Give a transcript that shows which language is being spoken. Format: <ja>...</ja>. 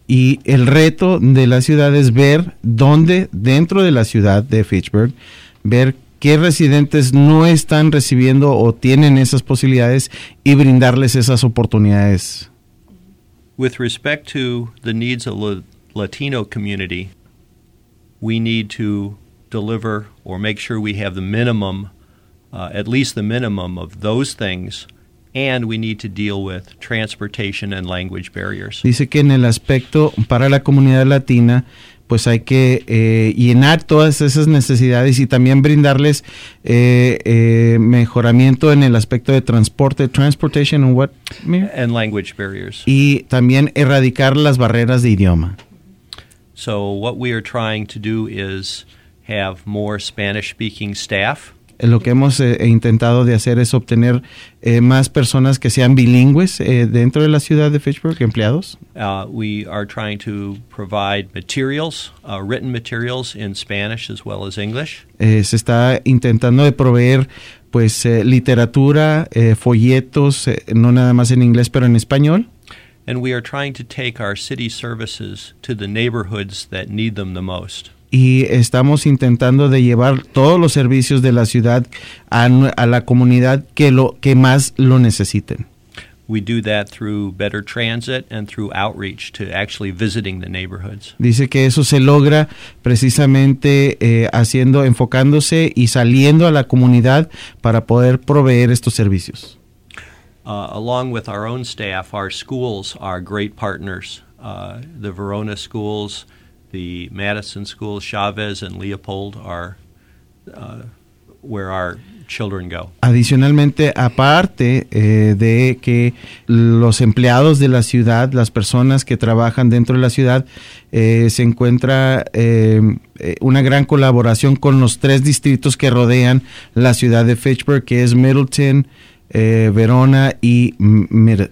<es>Y el reto de la ciudad es ver dónde, dentro de la ciudad de Fitchburg, ver qué residentes no están recibiendo o tienen esas posibilidades y brindarles esas oportunidades.</es> <en>With respect to the needs of the Latino community, we need to deliver or make sure we have the minimum, at least the minimum of those things. And we need to deal with transportation and language barriers.</en> <es>Dice que en el aspecto para la comunidad latina, pues hay que llenar todas esas necesidades y también brindarles mejoramiento en el aspecto de transporte,</es> <en>transportation and what, Mir? And language barriers.</en> <es>Y también erradicar las barreras de idioma.</es> <en>So what we are trying to do is have more Spanish-speaking staff.</en> <es>Lo que hemos intentado de hacer es obtener más personas que sean bilingües dentro de la ciudad de Fitchburg, empleados.</es> <en>We are trying to provide materials, written materials in Spanish as well as English.</en> <es>Se está intentando de proveer pues literatura, folletos, no nada más en inglés, pero en español.</es> <en>And we are trying to take our city services to the neighborhoods that need them the most.</en> <es>Y estamos intentando de llevar todos los servicios de la ciudad a la comunidad que más lo necesiten.</es> <en>We do that through better transit and through outreach to actually visiting the neighborhoods.</en> <es>Dice que eso se logra precisamente enfocándose y saliendo a la comunidad para poder proveer estos servicios.</es> <en>Along with our own staff, our schools are great partners. The Verona schools, the Madison School, Chavez and Leopold are where our children go.</en> <es>Adicionalmente, aparte de que los empleados de la ciudad, las personas que trabajan dentro de la ciudad, se encuentra una gran colaboración con los tres distritos que rodean la ciudad de Fitchburg, que es Middleton, Verona y Madison.</es>